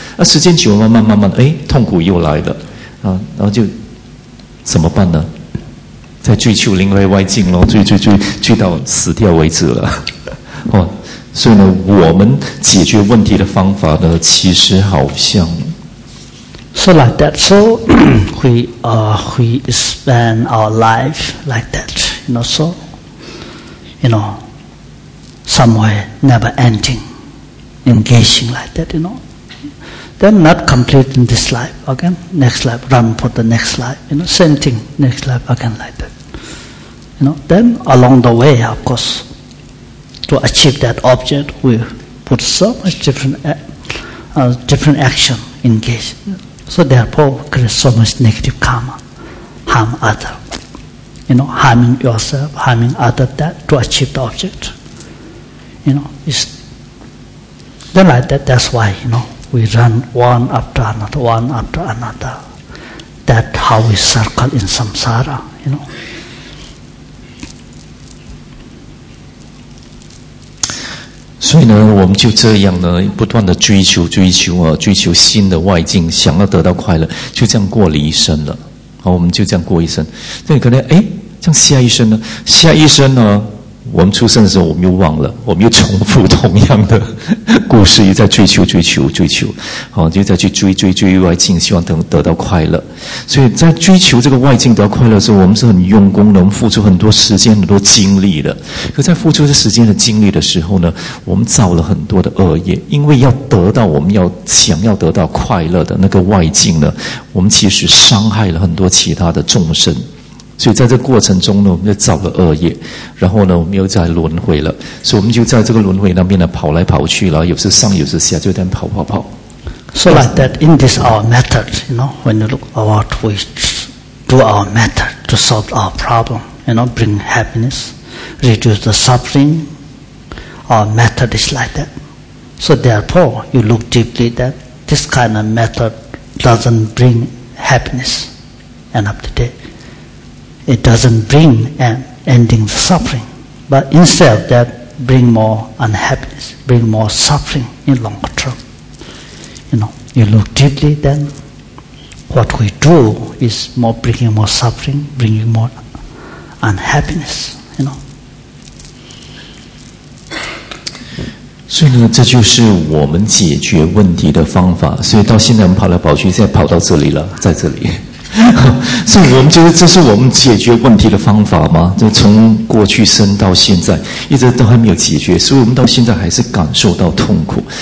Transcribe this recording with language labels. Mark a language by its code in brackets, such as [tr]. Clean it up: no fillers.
[zh] 那时间久慢慢慢慢，诶，痛苦又来了啊，然后就怎么办呢？在追求另外外境咯，追到死掉为止了。哦，所以呢我们解决问题的方法呢其实好像 [en] So like that. So we spend our life like that, you know, so you know somewhere never ending, engaging like that, you know, then not complete in this life again, next life, run for the next life, you know, same thing, next life again like that. You know, then along the way, of course, to achieve that object, we put so much different action engaged. So therefore, we create so much negative karma, harm other. You know, harming yourself, harming other, that to achieve the object. You know, it's then like that. That's why, you know, we run one after another. That's how we circle in samsara, you know. [zh] 所以呢我们就这样呢不断的追求啊，追求新的外境，想要得到快乐，就这样过了一生了。好，我们就这样过一生。那你可能诶，这样下一生呢，下一生呢我们出生的时候我们又忘了，我们又重复同样的故事，又在追求。好，就再去追外境，希望得到快乐。所以在追求这个外境得到快乐的时候，我们是很用功的，我们付出很多时间很多精力的。可在付出这时间的精力的时候呢，我们造了很多的恶业，因为要得到我们要想要得到快乐的那个外境呢，我们其实伤害了很多其他的众生。所以在这个过程中呢，我们就造了恶业，然后呢我们又在轮回了，所以我们就在这个轮回那边呢跑来跑去了，有时上有时下，就在跑。 [en] So like that, in this our method, you know, when you look at what we do, our method to solve our problem, you know, bring happiness, reduce the suffering, our method is like that. So therefore you look deeply that this kind of method doesn't bring happiness end of the dayIt doesn't bring an ending the suffering, but instead that bring more unhappiness, bring more suffering in long term. You know, you look deeply, then what we do is more bringing more suffering, bringing more unhappiness, you know. [zh] 所以呢，这就是我们解决问题的方法。所以到现在我们跑来跑去，现在跑到这里了，在这里。所以我们觉得这是我们解决问题的方法吗？就从过去生到现在，一直都还没有解决，所以我们到现在还是感受到痛苦。